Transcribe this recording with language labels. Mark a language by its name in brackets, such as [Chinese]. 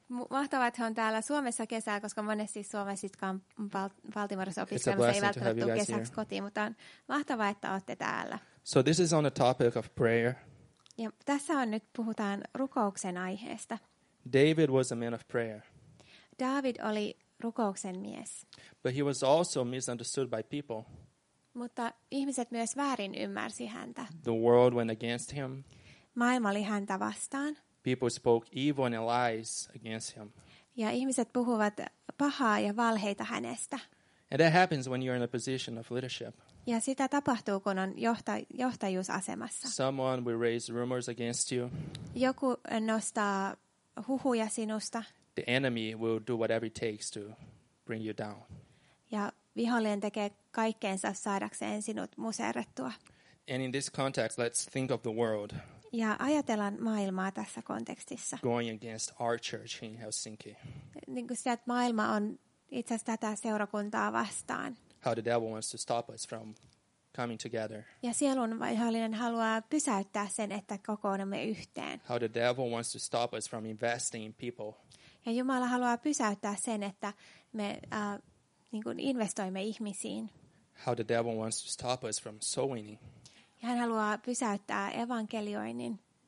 [Finnish] Mahtavaa, että he on täällä Suomessa kesää, koska monesti suomessitkaan Baltimoressa opiskelemassa ei välttämättä tule kesäksi kotiin, mutta on mahtavaa, että olette täällä. [English] So this is on the topic of prayer. [Finnish] Ja tässä on nyt puhutaan rukouksen aiheesta. [English] David was a man of prayer. [Finnish] David oli rukouksen mies. [English] But he was also misunderstood by people. [Finnish] Mutta ihmiset myös väärin ymmärsi häntä. [English] The world went against him. [Finnish] Maailma oli häntä vastaan. [English] People spoke evil and lies against him. [Finnish] Ja ihmiset puhuvat pahaa ja valheita hänestä. [English] And that happens when you're in a position of leadership. [Finnish] Ja sitä tapahtuu, kun on johtajuusasemassa. [English] Someone will raise rumors against you. [Finnish] Joku nostaa huhuja sinusta. [English] The enemy will do whatever it takes to bring you down. [Finnish] Ja vihollinen tekee kaikkeensa saadakseen sinut muserrettua. [English] And in this context, let's think of the world. [Finnish] Ja ajatellaan maailmaa tässä kontekstissa. [English] Going against our church in Helsinki. [Finnish] Niin kuin sitä, että maailma on itse asiassa tätä seurakuntaa vastaan. [English] How the devil wants to stop us from coming together. [Finnish] Ja sielun vihollinen haluaa pysäyttää sen, että kokoonnumme yhteen. [English] How the devil wants to stop us from investing in people. [Finnish] Ja Jumala haluaa pysäyttää sen, että me niin kuin investoimme ihmisiin. [English] How the devil wants to stop us from sowing. [Finnish] Ja hän haluaa pysäyttää evankelioinnin.